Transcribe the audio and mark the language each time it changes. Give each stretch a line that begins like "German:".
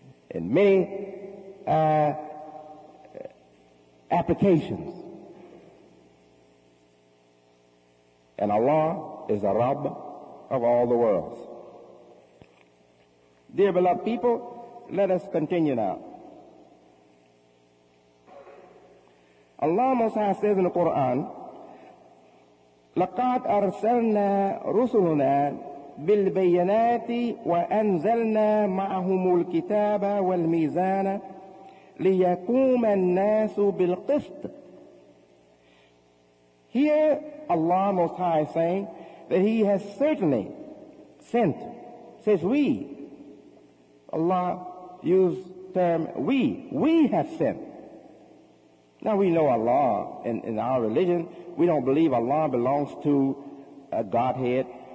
English: In many applications. And Allah is the Rabb of all the worlds. Dear beloved people, let us continue now. Allah Most High says in the Quran,
Arabic: لَقَدْ أَرْسَلْنَا رُسُلُنَا بِالْبَيَّنَاتِ وَأَنْزَلْنَا مَعَهُمُ الْكِتَابَ وَالْمِيزَانَ لِيَكُومَ النَّاسُ بِالْقِسْطِ.
English: Here Allah Most High is saying that He has certainly sent, says we, Allah used the term we have sent. Now we know Allah in our religion. We don't believe Allah belongs to a Godhead.